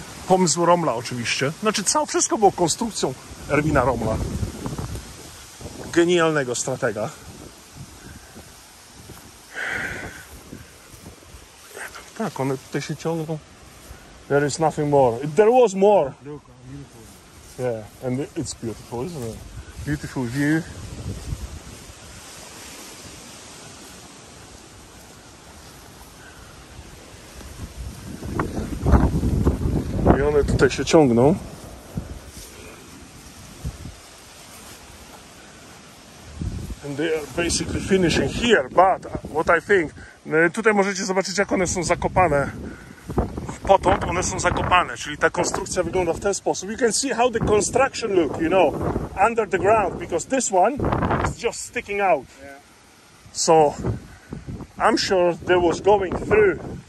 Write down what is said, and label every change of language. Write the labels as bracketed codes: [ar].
[pl] Pomysł Romla oczywiście. Znaczy całe wszystko było konstrukcją Erwina Romla. Genialnego stratega. Tak, one tutaj się ciągną. [en] There is nothing more. There was more. Yeah, and it's beautiful, isn't it? Beautiful view. [pl] I one tutaj się ciągną. [en] And they are basically finishing here, but what I think... [pl] Tutaj możecie zobaczyć, jak one są zakopane. Potąd one są zakopane, czyli ta konstrukcja wygląda w ten sposób. [en] You can see how the construction look, you know, under the ground, because this one is just sticking out. So, I'm sure they was going through.